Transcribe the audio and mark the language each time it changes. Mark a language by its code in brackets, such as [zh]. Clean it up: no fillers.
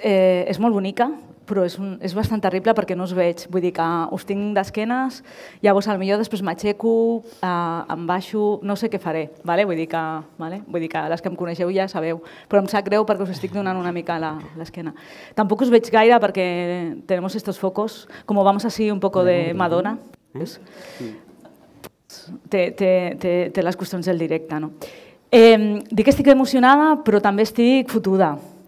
[ca] és molt bonica, però és bastant terrible perquè no us veig. Vull dir que us tinc d'esquenes, llavors potser després m'aixeco, em baixo, no sé què faré. Vale? Vull dir que les que em coneixeu ja sabeu. Però em sap greu perquè us estic donant una mica l'esquena. Tampoc us veig gaire perquè [es] tenemos estos focos. Como vamos así un poco de Madonna... [ca] Té les qüestions del directe, no? Dic que estic emocionada, però també estic fotuda.